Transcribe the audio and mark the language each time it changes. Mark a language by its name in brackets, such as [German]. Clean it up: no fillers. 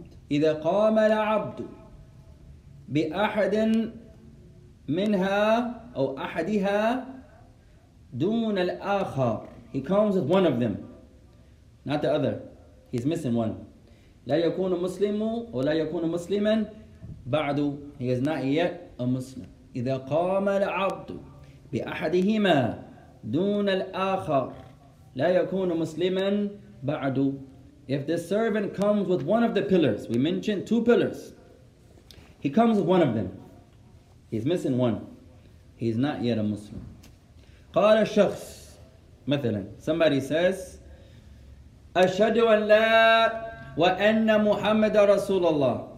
[Arabic] إذا قام العبد بأحد منها أو أحدها دون الآخر. [English] He comes with one of them, not the other. He's missing one. [Arabic] لا يكون مسلم أو لا يكون مسلما بعد. [English] He is not yet a Muslim. [Arabic] إذا قام العبد بأحدهما دون الآخر لا يكون مسلما بعد. [English] If the servant comes with one of the pillars, we mentioned two pillars. He comes with one of them. He's missing one. He's not yet a Muslim. [Arabic] قال الشخص مثلا. [English] Somebody says, [Arabic] أشهد أن لا وَأَنَّ مُحَمَّدَ رَسُولَ اللَّهِ.